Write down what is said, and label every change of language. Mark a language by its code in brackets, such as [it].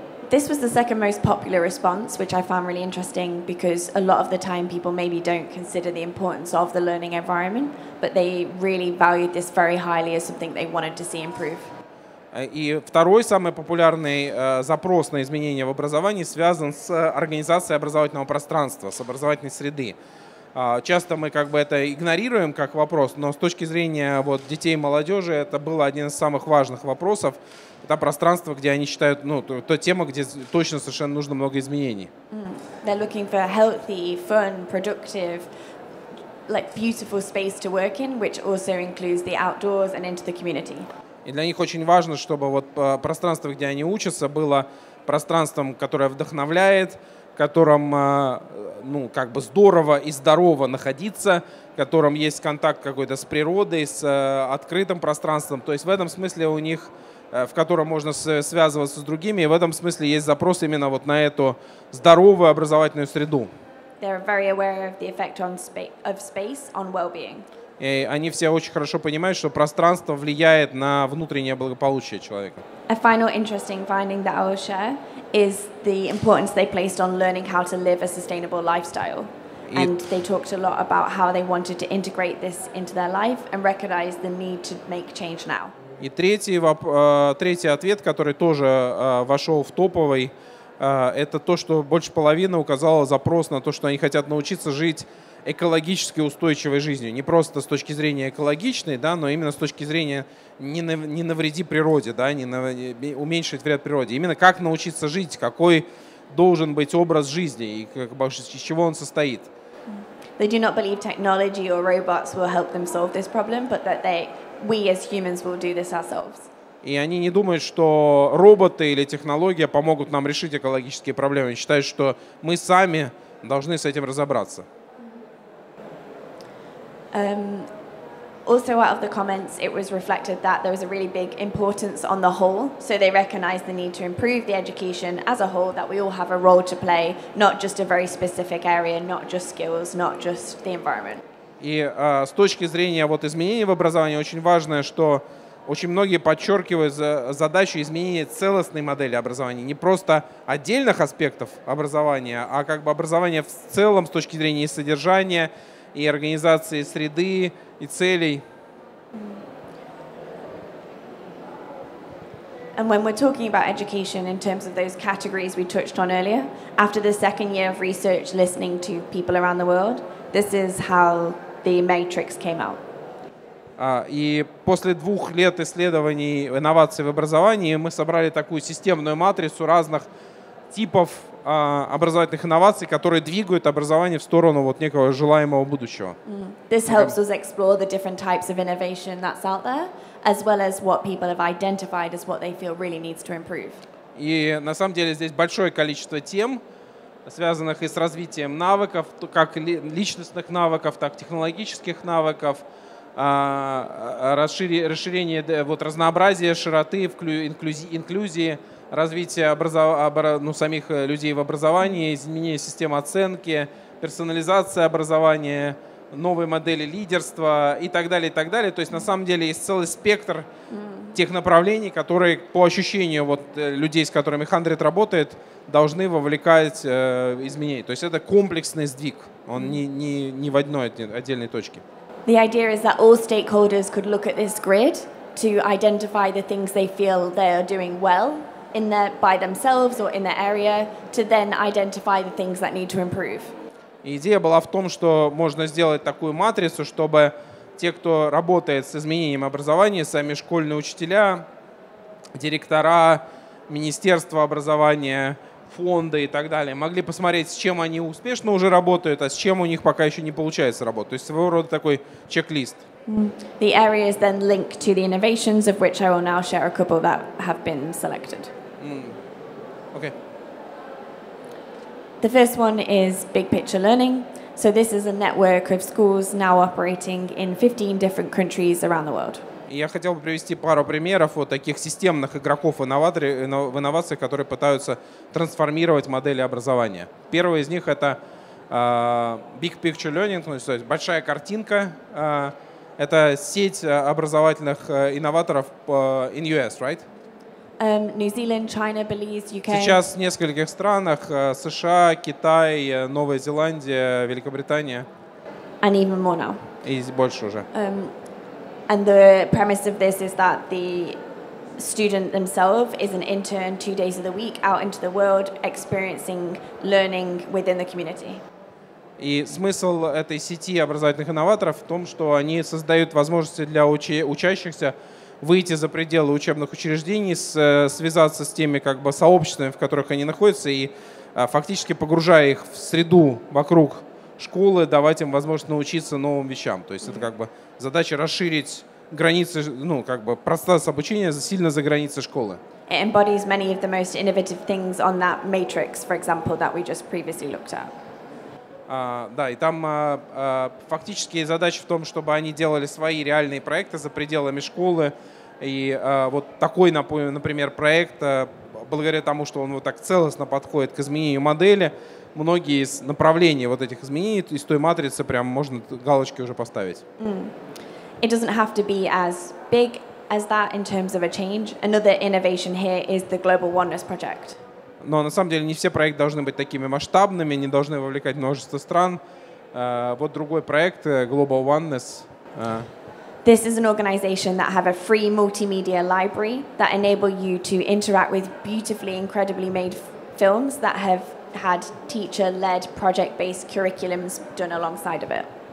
[en] This was the second most popular response, which I found really interesting because a lot of the time people maybe don't consider the importance of the learning environment, but they really valued this very highly as something they wanted to see improve. [ru] И второй самый популярный запрос на изменения в образовании связан с организацией образовательного пространства, с образовательной среды. Часто мы как бы это игнорируем как вопрос, но с точки зрения вот детей и молодежи это было один из самых важных вопросов. Это пространство, где они считают, ну, то тема, где точно совершенно нужно много изменений. [en] They're looking for healthy, fun, productive, like beautiful space to work in, which also includes the outdoors and into the community. [ru] И для них очень важно, чтобы вот пространство, где они учатся, было пространством, которое вдохновляет, в котором, ну, как бы здорово и здорово находиться, в котором есть контакт какой-то с природой, с открытым пространством. То есть в этом смысле у них... в котором можно связываться с другими, и в этом смысле есть запрос именно вот на эту здоровую образовательную среду. [en] They're very aware of the effect on space on well-being. [ru] И они все очень хорошо понимают, что пространство влияет на внутреннее благополучие человека. [en] A final interesting finding that I will share is the importance they placed on learning how to live a sustainable lifestyle. And they talked a lot about how they wanted to integrate this into their life and recognize the need to make change now. [ru] И третий ответ, который тоже вошел в топовый, это то, что больше половины указало запрос на то, что они хотят научиться жить экологически устойчивой жизнью. Не просто с точки зрения экологичной, да, но именно с точки зрения не навреди природе, да, уменьшить вред природе. Именно как научиться жить, какой должен быть образ жизни и как, из чего он состоит. [en] They do not believe technology or robots will help them solve this problem, but that they... We as humans will do this ourselves. [ru] И они не думают, что роботы или технология помогут нам решить экологические проблемы. Они считают, что мы сами должны с этим разобраться. [en] Also, out of the comments, it was reflected that there was a really big importance on the whole. So they recognized the need to improve the education as a whole, that we all have a role to play, not just a very specific area, not just skills, not just the environment. [ru] И с точки зрения вот изменений в образовании очень важно, что очень многие подчеркивают задачу изменения целостной модели образования, не просто отдельных аспектов образования, а как бы образование в целом с точки зрения и содержания, и организации среды, и целей. [en] And when we're talking about education in terms of those categories we touched on earlier, after the second year of research listening to people around the world, this is how the matrix came out. [ru] И после двух лет исследований инноваций в образовании мы собрали такую системную матрицу разных типов образовательных инноваций, которые двигают образование в сторону вот некого желаемого будущего. [en] This helps us explore the different types of innovation that's out there, as well as what people have identified as what they feel really needs to improve. [ru] И на самом деле здесь большое количество тем, связанных и с развитием навыков, как личностных навыков, так и технологических навыков, расширение вот разнообразия, широты, инклюзии, развитие самих людей в образовании, изменение системы оценки, персонализация образования, новые модели лидерства и так далее, и так далее. То есть на самом деле есть целый спектр тех направлений, которые по ощущению вот людей, с которыми HundrED работает, должны вовлекать изменения. То есть это комплексный сдвиг, он не в одной отдельной точке. [en] The idea is that all stakeholders could look at this grid to identify the things they feel they are doing well in their by themselves or in their area, to then identify the things that need to improve. [ru] Идея была в том, что можно сделать такую матрицу, чтобы те, кто работает с изменением образования, сами школьные учителя, директора, министерство образования, фонды и так далее, могли посмотреть, с чем они успешно уже работают, а с чем у них пока еще не получается работать. То есть своего рода такой чек-лист. [en] The area is then linked to the innovations, of which I will now share a couple that have been selected. Okay. The first one is big picture learning. So this is a network of schools now operating in 15 different countries around the world. [ru] Я хотел бы привести пару примеров вот таких системных игроков в инновациях, которые пытаются трансформировать модели образования. Первый из них — это big picture learning, то есть большая картинка. Это сеть образовательных инноваторов [en] in US, right? New Zealand, China, Belize, UK. [ru] Сейчас в нескольких странах: США, Китай, Новая Зеландия, Великобритания. [en] And even more now. [ru] И больше уже. [en] And the premise of this is that the student themselves is an intern 2 days of the week out into the world experiencing learning within the community. [ru] И смысл этой сети образовательных инноваторов в том, что они создают возможности для учащихся выйти за пределы учебных учреждений, связаться с теми как бы сообществами, в которых они находятся, и фактически погружая их в среду вокруг школы, давать им возможность научиться новым вещам. То есть это как бы задача расширить границы, ну, как бы процесс обучения сильно за границы школы. [en] It embodies many of the most innovative things on that matrix, for example, that we just previously looked at. [ru] Да, и там фактически задача в том, чтобы они делали свои реальные проекты за пределами школы. И вот такой, например, проект, благодаря тому, что он вот так целостно подходит к изменению модели, многие из направлений вот этих изменений из той матрицы прям можно галочки уже поставить. [en] It doesn't have to be as big as that in terms of a change. Another innovation here is the Global Oneness Project. [ru] Но на самом деле не все проекты должны быть такими масштабными, не должны вовлекать множество стран. Вот другой проект, Global Oneness. [en] This is an organization that have a free multimedia library that enable you to interact with beautifully, incredibly made films that have had teacher-led project-based curriculums done alongside of it.